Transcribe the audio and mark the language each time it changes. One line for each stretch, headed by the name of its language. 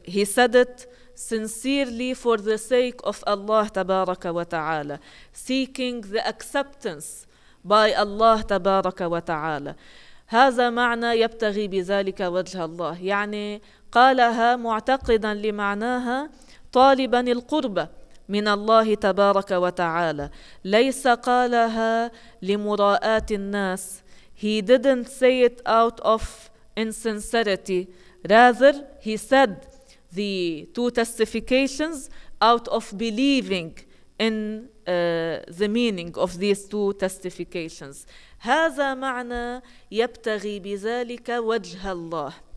English: He said it sincerely for the sake of Allah تبارك وتعالى, seeking the acceptance by Allah تبارك وتعالى.
Arabic: هذا معنى يبتغي بذلك وجه الله, يعني قالها معتقدا لمعناها طالبا القربة من الله تبارك وتعالى, ليس قالها لمراءة الناس.
English: He didn't say it out of insincerity, rather he said the two testifications out of believing in the meaning of these two testifications.
Arabic: هذا معنى يبتغي بذلك وجه الله.